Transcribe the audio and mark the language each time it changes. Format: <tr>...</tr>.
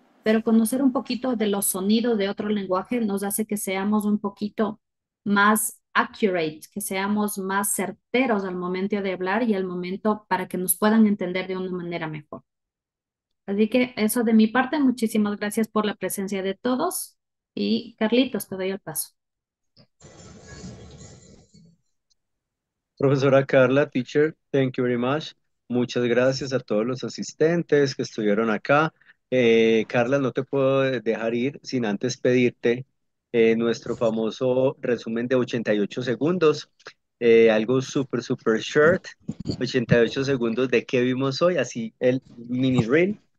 <es>Pero conocer un poquito de los sonidos de otro lenguaje nos hace que seamos un poquito más accurate, que seamos más certeros al momento de hablar y al momento para que nos puedan entender de una manera mejor. Así que eso de mi parte, muchísimas gracias por la presencia de todos y Carlitos, te doy el paso.</es> <en>Profesora Carla, teacher, thank you very much.</en> <es>Muchas gracias a todos los asistentes que estuvieron acá. Carla, no te puedo dejar ir sin antes pedirte nuestro famoso resumen de 88 segundos, algo súper, súper short, 88 segundos de qué vimos hoy, así el mini reel.</es>